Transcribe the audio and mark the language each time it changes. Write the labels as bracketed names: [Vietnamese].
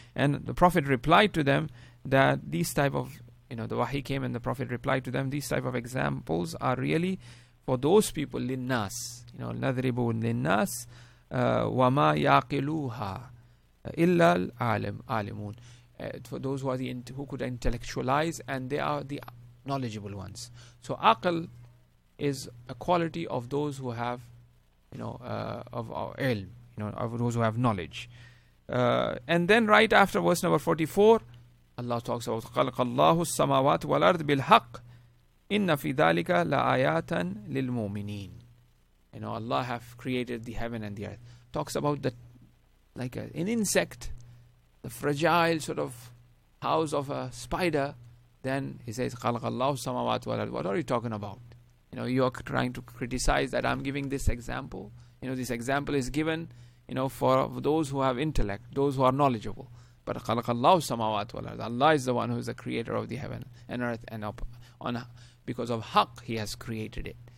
[English] And the Prophet replied to them that these type of, you know, the wahi came and the Prophet replied to them, these type of examples are really for those people, linnas, you know, [Arabic] nadribu linnas wama yaqiluha illa alimun, [English] for those who are who could intellectualize, and they are the knowledgeable ones. So aql is a quality of those who have, you know, of our ilm, you know, of those who have knowledge. And then right after verse number 44, Allah talks about [Arabic] خَلَقَ اللَّهُ السَّمَاوَاتِ وَالْأَرْضِ بِالْحَقِّ إِنَّ فِي ذَلِكَ لَآيَاتًا لِلْمُؤْمِنِينَ. [English] You know, Allah have created the heaven and the earth. Talks about that, like an insect, the fragile sort of house of a spider. [Arabic] Then he says خَلَقَ اللَّهُ السَّمَاوَاتِ وَالْأَرْضِ. [English] What are you talking about? You know, you're trying to criticize that I'm giving this example. You know, this example is given, you know, for those who have intellect, those who are knowledgeable. But [Arabic] خَلَقَ اللَّهُ السَّمَاوَاتِ وَالْأَرْضِ, [English] Allah is the one who is the creator of the heaven and earth, and because of haq, he has created it.